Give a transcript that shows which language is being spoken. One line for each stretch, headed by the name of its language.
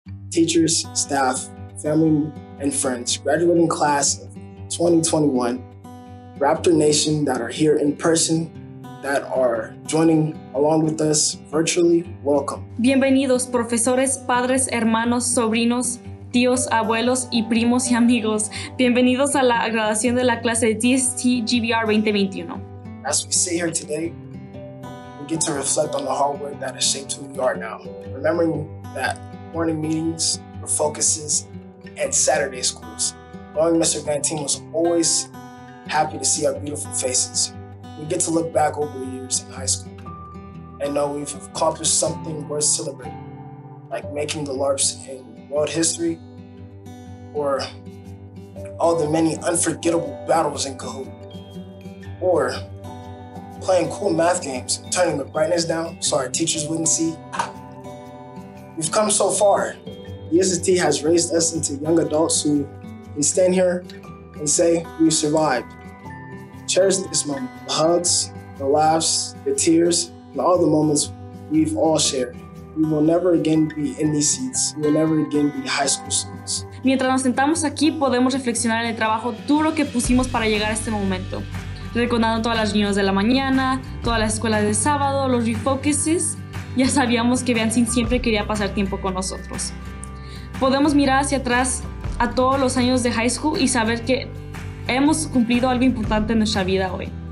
English: teachers, staff, family, and friends, graduating class of 2021, Raptor Nation that are here in person, that are joining along with us virtually, welcome.
Spanish: Bienvenidos, profesores, padres, hermanos, sobrinos, tíos, abuelos, y primos y amigos. Bienvenidos a la graduación de la clase DST GBR 2021.
English: As we sit here today, we get to reflect on the hard work that has shaped who we are now, remembering that morning meetings were focuses and Saturday schools. Knowing Mr. Van Team was always happy to see our beautiful faces. We get to look back over the years in high school and know we've accomplished something worth celebrating, like making the LARPs in world history or all the many unforgettable battles in Kahoot or playing cool math games, turning the brightness down so our teachers wouldn't see. We've come so far. DSST has raised us into young adults who can stand here and say we've survived. Cherish this moment, the hugs, the laughs, the tears, and all the moments we've all shared. We will never again be in these seats. We will never again be high school students.
Spanish: Mientras nos sentamos aquí, podemos reflexionar en el trabajo duro que pusimos para llegar a este momento. Recordando todas las reuniones de la mañana, todas las escuelas de sábado, los refocuses, ya sabíamos que Vianzin siempre quería pasar tiempo con nosotros. Podemos mirar hacia atrás a todos los años de
English: high school
Spanish: y saber que hemos cumplido algo importante en nuestra vida hoy.